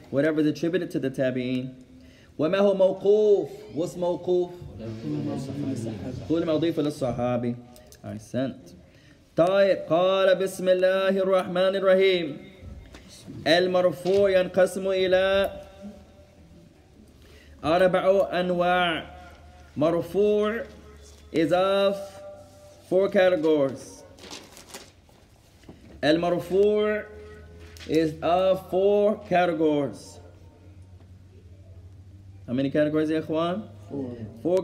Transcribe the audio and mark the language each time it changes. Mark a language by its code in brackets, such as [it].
[en] Whatever is attributed to the تابعين. [ar] وما هو موقوف. [en] What's موقوف? [ar] كل ما أضيف للصحابي. I sent. طيب قال بسم الله الرحمن الرحيم. المرفوع ينقسم إلى أربع أنواع. [en] مرفوع is of four categories. المرفوع is of four categories. How many categories, [ar] يا إخوان? [en] Four